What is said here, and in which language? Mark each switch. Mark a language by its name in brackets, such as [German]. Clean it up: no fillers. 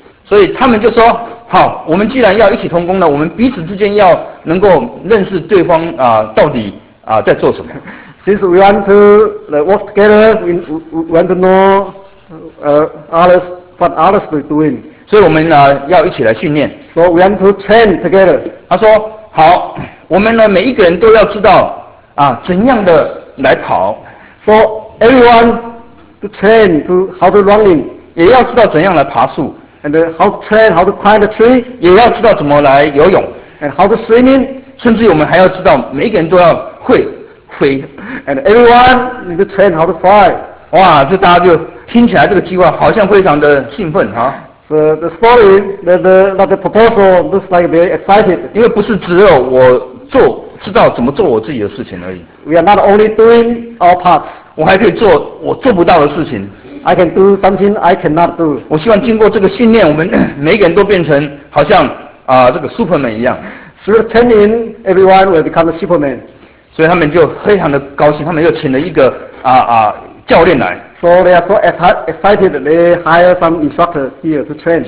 [Chinese] 所以他们就说：“好，我们既然要一起同工呢，我们彼此之间要能够认识对方啊、到底啊、在做什么。” [English] Since we want to work together, we want to know others what others are doing. [Chinese] 所以我们要一起来训练。 [English] So we want to train together. [Chinese] 他说：“好，我们呢每一个人都要知道啊、怎样的来跑。” [English] So everyone. To train, to how to running, [Chinese] 也要知道怎样来爬树 [English] ，and how to train, how to climb the tree, [Chinese] 也要知道怎么来游泳 [English] ，and how to swimming, [Chinese] 甚至我们还要知道每一个人都要会飞 [English] ，and everyone need to train how to fly. [Chinese] 哇，这大家就听起来这个计划好像非常的兴奋哈。 [English] So the story, the proposal looks like very excited. [Chinese] 因为不是只有我做知道怎么做我自己的事情而已。 [English] We are not only doing our parts. [Chinese] 我还可以做我做不到的事情。 [English] I can do something I cannot do. [Chinese] 我希望经过这个训练，我们每个人都变成好像这个 Superman 一样。 [English] Through training, everyone will become a Superman. [Chinese] 所以他们就非常的高兴，他们又请了一个教练来。 [English] So they are so excited. They hire some instructor here to train.